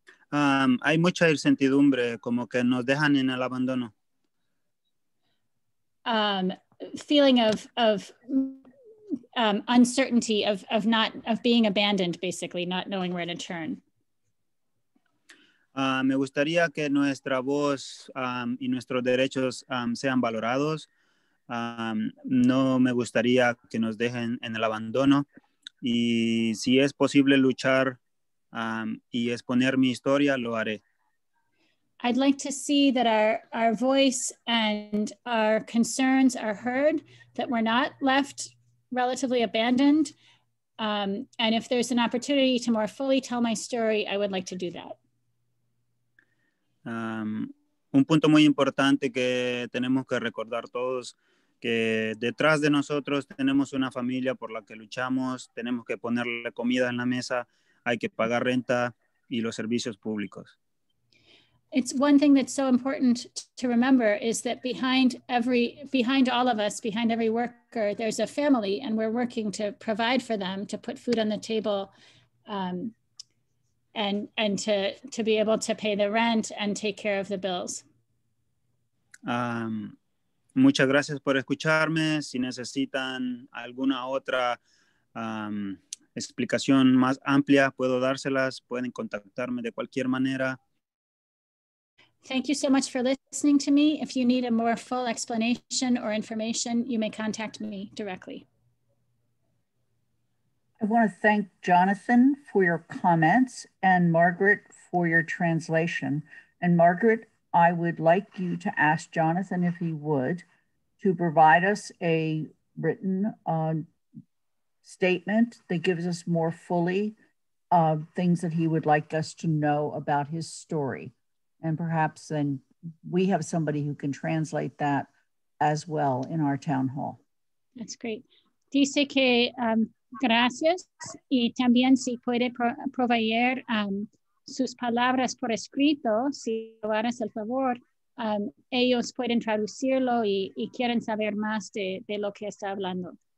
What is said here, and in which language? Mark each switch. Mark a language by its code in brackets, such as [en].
[es] Hay mucha incertidumbre, como que nos dejan en el abandono. [en] Feeling of uncertainty, of being abandoned, basically, not knowing where to turn. [es] Me gustaría que nuestra voz y nuestros derechos sean valorados. No me gustaría que nos dejen en el abandono. Y si es posible luchar y exponer mi historia, lo haré. [en] I'd like to see that our voice and our concerns are heard, that we're not left relatively abandoned. And if there's an opportunity to more fully tell my story, I would like to do that. [es] Un punto muy importante que tenemos que recordar todos, que detrás de nosotros tenemos una familia por la que luchamos, tenemos que ponerle comida en la mesa, hay que pagar renta y los servicios públicos. [en] It's one thing that's so important to remember is that behind all of us, behind every worker, there's a family, and we're working to provide for them, to put food on the table, and to be able to pay the rent and take care of the bills. [es] Muchas gracias por escucharme. Si necesitan alguna otra explicación más amplia, puedo dárselas. Pueden contactarme de cualquier manera. [en] Thank you so much for listening to me. If you need a more full explanation or information, you may contact me directly. I want to thank Jonathan for your comments and Margaret for your translation. And Margaret, I would like you to ask Jonathan, if he would, to provide us a written statement that gives us more fully things that he would like us to know about his story. And perhaps then we have somebody who can translate that as well in our town hall. That's great. [es] Dice que gracias, y también si puede proveer sus palabras por escrito, si lo harás el favor, ellos pueden traducirlo y quieren saber más de lo que está hablando.